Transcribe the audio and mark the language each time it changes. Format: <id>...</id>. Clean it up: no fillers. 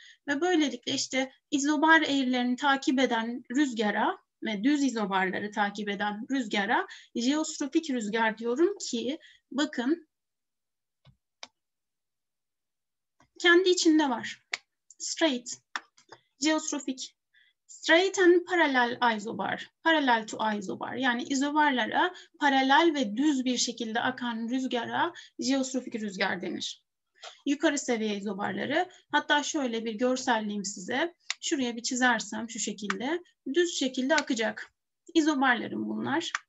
<tr>Ve böylelikle işte izobar eğrilerini takip eden rüzgara ve düz izobarları takip eden rüzgara jeostrofik rüzgar diyorum ki bakın kendi içinde var.</tr> <en>Straight,</en> <tr>jeostrofik.</tr> <en>Straight and parallel isobar, parallel to isobar.</en> <tr>Yani izobarlara paralel ve düz bir şekilde akan rüzgara jeostrofik rüzgar denir. Yukarı seviye izobarları, hatta şöyle bir görselleyeyim size. Şuraya bir çizersem şu şekilde, düz şekilde akacak izobarlarım bunlar.</tr>